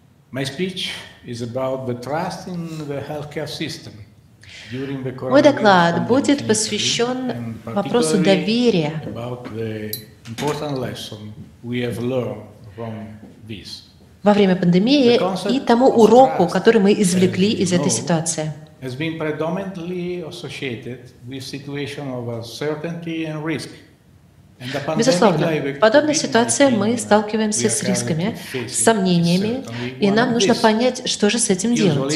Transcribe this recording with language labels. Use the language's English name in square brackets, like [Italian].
[Russian] Мой доклад будет посвящен вопросу доверия во время пандемии и тому уроку, который мы извлекли из этой ситуации. [English] has been predominantly associated with situation of uncertainty and risk. [Russian] Безусловно, в подобной ситуации мы сталкиваемся с рисками, с сомнениями, и нам нужно понять, что же с этим делать.